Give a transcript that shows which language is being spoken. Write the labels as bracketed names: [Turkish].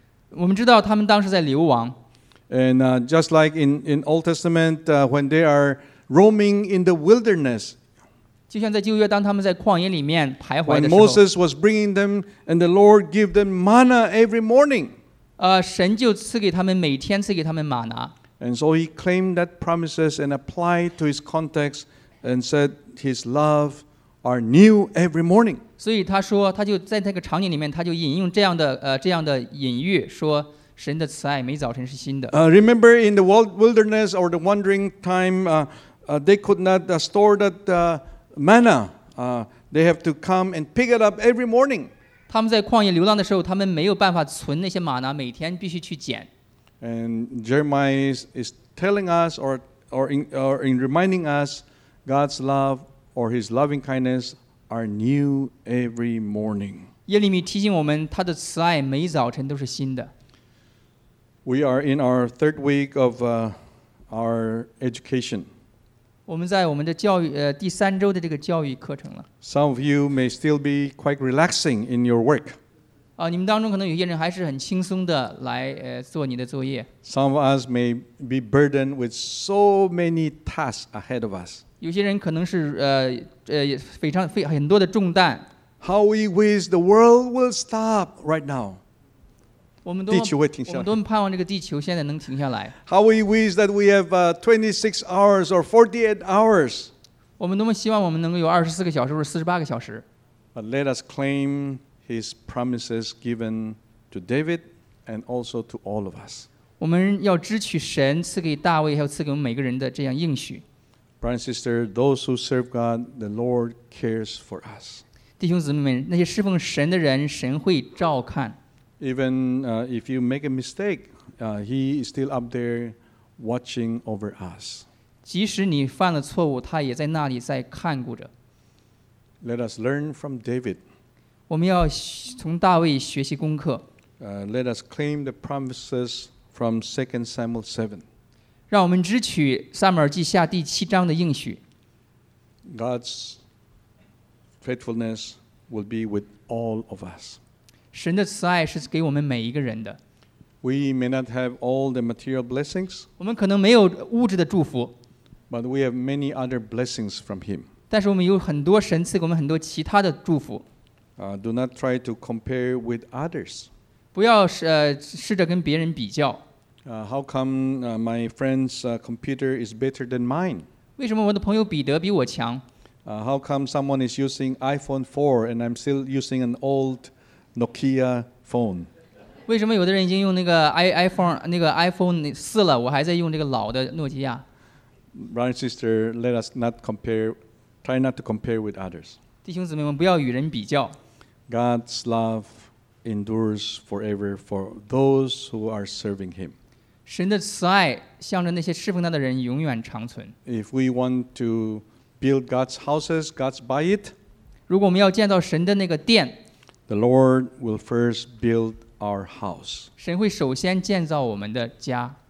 [Chinese] 我们知道他们当时在流亡。 [English] And just like in Old Testament, when they are roaming in the wilderness. [Chinese] 就像在旧约，当他们在旷野里面徘徊的时候 [English] ，When Moses was bringing them, and the Lord gave them manna every morning. [Chinese] 神就赐给他们每天赐给他们玛拿。 [English] And so he claimed that promises and applied to his context, and said his love are new every morning. [Chinese] 所以他说，他就在那个场景里面，他就引用这样的隐喻，说神的慈爱每早晨是新的。 [English] Remember in the wilderness or the wandering time, they could not store that. Manna, they have to come and pick it up every morning. [Chinese] 他们在旷野流浪的时候，他们没有办法存那些玛拿，每天必须去捡。 [English] And Jeremiah is telling us, or in reminding us, God's love or His loving kindness are new every morning. [Chinese] 耶利米提醒我们，他的慈爱每早晨都是新的。 [English] We are in our third week of our education. [Chinese] 我们在我们的教育第三周的这个教育课程了。 [English] Some of you may still be quite relaxing in your work. [Chinese] 你们当中可能有些人还是很轻松的来做你的作业。 [English] Some of us may be burdened with so many tasks ahead of us. [Chinese] 有些人可能是非常很多的重担。 [English] How we wish the world will stop right now. [Chinese] 地球会停下来。我们多么盼望这个地球现在能停下来。 [English] How we wish that we have 26 hours or 48 hours. [Chinese] 我们多么希望我们能够有24个小时或者48个小时。 [English] But let us claim his promises given to David and also to all of us. [Chinese] 我们要支取神赐给大卫还有赐给我们每个人的这样应许。 [English] Brothers and sisters, those who serve God, the Lord cares for us. [Chinese] 弟兄姊妹们，那些侍奉神的人，神会照看。 [English] Even if you make a mistake, he is still up there watching over us. [Chinese] 即使你犯了错误，他也在那里在看顾着。 [English] Let us learn from David. [Chinese] 我们要从大卫学习功课。 [English] Let us claim the promises from 2 Samuel 7. [Chinese] 让我们支取撒母耳记下第七章的应许。 [English] God's faithfulness will be with all of us. [Chinese] 神的慈爱是给我们每一个人的。 [English] We may not have all the material blessings. [Chinese] 我们可能没有物质的祝福。 [English] But we have many other blessings from Him. [Chinese] 但是我们有很多神赐给我们很多其他的祝福。 [English] Do not try to compare with others. [Chinese] 不要试着跟别人比较。 [English] How come my friend's computer is better than mine? [Chinese] 为什么我的朋友彼得比我强？ [English] How come someone is using iPhone 4 and I'm still using an oldNokia phone. [Chinese] 为什么有的人已经用那个 iPhone 那个 iPhone 四了，我还在用这个老的诺基亚 [English] ？Brother and sister, let us not compare. Try not to compare with others. [Chinese] 弟兄姊妹们，不要与人比较。 [English] God's love endures forever for those who are serving Him. [Chinese] 神的慈爱向着那些侍奉他的人永远长存。 [English] If we want to build God's houses, God's buy it. [Chinese] 如果我们要建造神的那个殿。 [English] The Lord will first build our house. [Chinese] 神会首先建造我们的家。